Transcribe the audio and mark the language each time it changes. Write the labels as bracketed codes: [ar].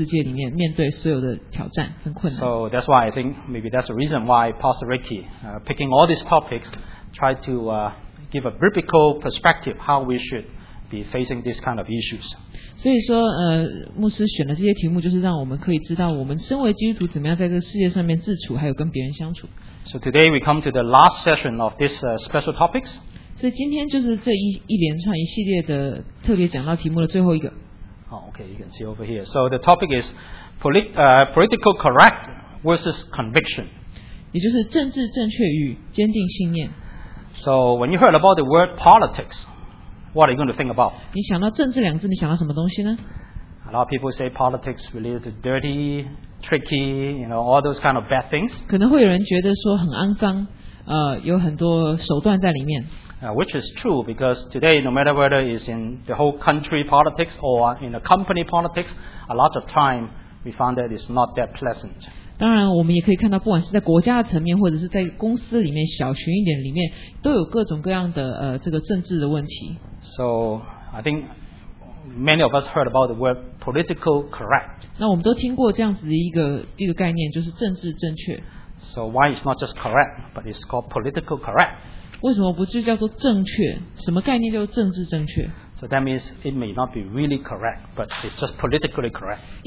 [zh] 耶稣在圣经里面呢，也从来没有教导我们要逃避这个世界，而是叫我们要活在这个世界里面，面对所有的挑战跟困难。 [en] So that's why I think maybe that's the reason why Pastor Ricky picking all these topics, try to give a biblical perspective how we should be facing these kind of issues. [zh] 所以说，牧师选的这些题目，就是让我们可以知道，我们身为基督徒，怎么样在这个世界上面自处，还有跟别人相处。 [en] So today we come to the last session of this special topics. [zh] 所以今天就是这一连串一系列的特别讲到题目的最后一个。 [en] Oh, okay, you can see over here. So the topic is political correct versus conviction. [zh] 也就是政治正确与坚定信念。 [en] So when you heard about the word politics, what are you going to think about? [zh] 你想到政治两字，你想到什么东西呢？ [en] A lot of people say politics related to dirty, tricky, you know, all those kind of bad things. [zh] 可能会有人觉得说很肮脏, 有很多手段在里面。 [en] Which is true, because today, no matter whether it's in the whole country politics or in the company politics, a lot of time we found that it's not that pleasant. [zh] 当然我们也可以看到，不管是在国家层面，或者是在公司里面小群一点里面，都有各种各样的这个政治的问题。 [en] So I think many of us heard about the word political correct. [zh] 那我们都听过这样子的一个概念，就是政治正确。 [en] So why it's not just correct, but it's called political correct? [zh] 为什么不就叫做正确？什么概念叫做政治正确？ [en] So that means it may not be really correct, but it's just politically correct.